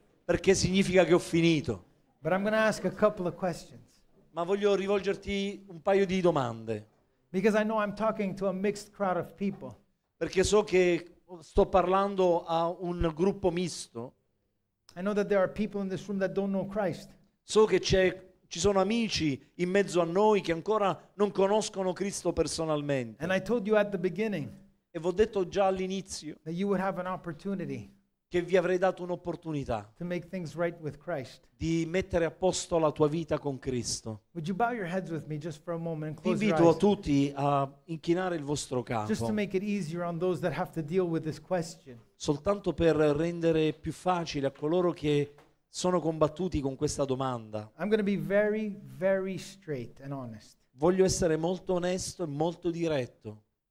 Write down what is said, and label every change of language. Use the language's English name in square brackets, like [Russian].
[Italian] Perché significa che ho finito. [English] But I'm gonna ask a couple of questions. [Italian] Ma voglio rivolgerti un paio di domande. [English] Because I know I'm talking to a mixed crowd of people. [Italian] Perché so che sto parlando a un gruppo misto. [English] I know that there are people in this room that don't know Christ. [Italian] So che ci sono amici in mezzo a noi che ancora non conoscono Cristo personalmente. [English] And I told you at the beginning, [Italian] e vi ho detto già all'inizio, [English] that you would have an opportunity, [Italian] che vi avrei dato un'opportunità, [English] to make things right with Christ, [Italian] di mettere a posto la tua vita con Cristo. [English] Would you bow your heads with me just for a moment and close your eyes? [Italian] Invito a tutti a inchinare il vostro capo. [English] Just to make it easier on those that have to deal with this question. [Italian] Soltanto per rendere più facile a coloro che sono combattuti con questa domanda. [English] I'm going to be very, very straight and honest. [Italian] Voglio essere molto onesto e molto diretto.